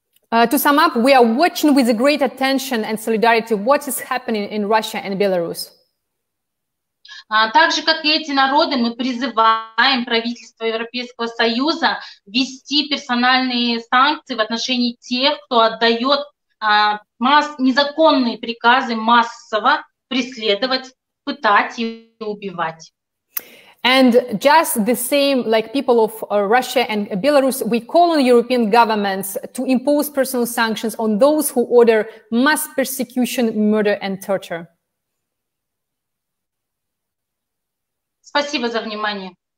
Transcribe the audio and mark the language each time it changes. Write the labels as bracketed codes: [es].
[en] To sum up, we are watching with great attention and solidarity what is happening in Russia and Belarus. [ru] Так же, как и эти народы, мы призываем правительство Европейского Союза ввести персональные санкции в отношении тех, кто отдает незаконные приказы массово преследовать, пытать и убивать. [en] And just the same, like people of Russia and Belarus, we call on European governments to impose personal sanctions on those who order mass persecution, murder and torture. [ru] Спасибо за внимание.